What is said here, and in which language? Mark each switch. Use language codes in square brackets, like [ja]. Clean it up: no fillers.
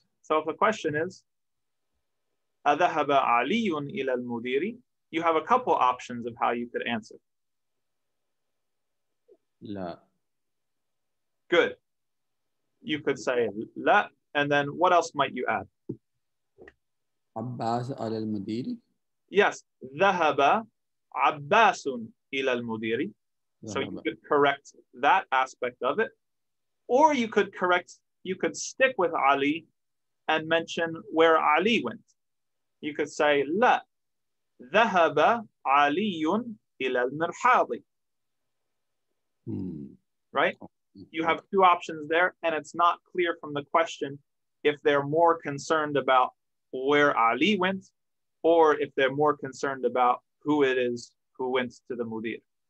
[en] So if the question is, [ar] أَذَهَبَ عَلِيٌ إِلَى الْمُدِيرِ, [en] you have a couple options of how you could answer. [ar] لَا. [en] Good. You could say لَا, and then what else might you add? [ar] عَبَّاسَ عَلَى الْمُدِيرِ. [en] Yes, [ar] ذَهَبَ عَبَّاسٌ إِلَى الْمُدِيرِ. [en] So you could correct that aspect of it. Or you could correct, you could stick with Ali and mention where Ali went. You could say, [ar] لَا, ذَهَبَ عَلِيٌ إِلَى الْمِرْحَاضِ. [en] Right? You have two options there, and it's not clear from the question if they're more concerned about where Ali went, or if they're more concerned about who it is who went to the Mudir.